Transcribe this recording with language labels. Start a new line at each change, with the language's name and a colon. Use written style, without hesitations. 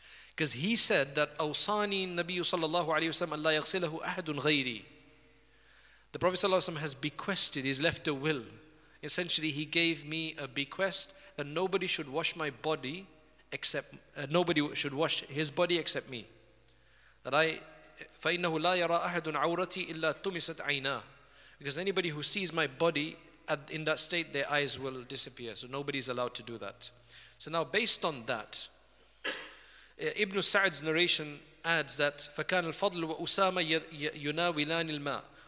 English: Because he said that
Arabic: أَوْصَانِي النَّبِيُّ sallallahu alayhi wasallam أَلَّا يَغْسِلَهُ أَحَدٌ غَيْرِي.
English: The Prophet sallallahu alayhi wasallam has bequested, he's left a will. Essentially, he gave me a bequest that nobody should wash my body except, nobody should wash his body except me. That I,
Arabic: فَإِنَّهُ لَا يَرَى أَحَدٌ عَوْرَتِي إِلَّا تُمِسَتْ عَيْنَاهُ.
English: Because anybody who sees my body in that state, their eyes will disappear. So nobody's allowed to do that. So now based on that, Ibn Sa'd's narration adds that
Arabic: فَكَانَ الْفَضْلُ وَأُسَامَ يُنَاوِلَانِ الْمَاءِ.